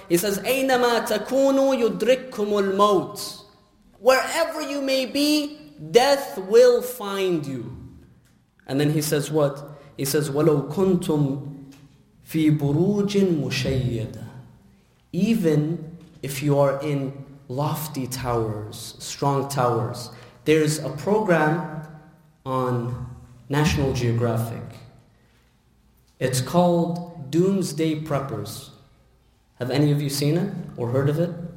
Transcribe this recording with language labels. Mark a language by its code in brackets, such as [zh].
[en] He says, [ar] أَيْنَمَا تَكُونُوا يُدْرِكُمُ الْمَوْتِ. [en] Wherever you may be, death will find you. And then He says what? He says, [ar] وَلَوْ كُنْتُمْ فِي بُرُوجٍ مُشَيِّدًا. [en] Even if you are in lofty towers, strong towers, there's a program on National Geographic. It's called Doomsday Preppers. Have any of you seen it or heard of it?